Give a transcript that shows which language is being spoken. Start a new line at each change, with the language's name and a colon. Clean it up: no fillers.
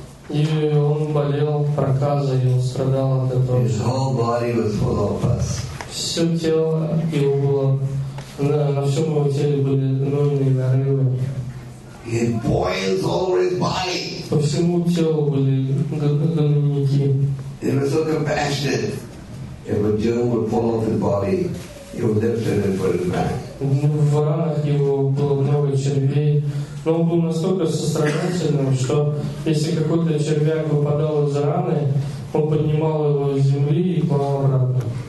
Russian: И он болел проказой, и он страдал от этого.
English: His whole body was full of pus.
Russian: Все тело его было, на всем его теле были ноги нарывы.
English: His boils all over his body.
Russian: По всему телу были гнойники.
English: He was so compassionate. If a germ would fall off his body, he would lift it and put it back.
Russian: В ранах его было много червей. Но он был настолько сострадательным, что если какой-то червяк выпадал из раны, он поднимал его из земли и клал обратно.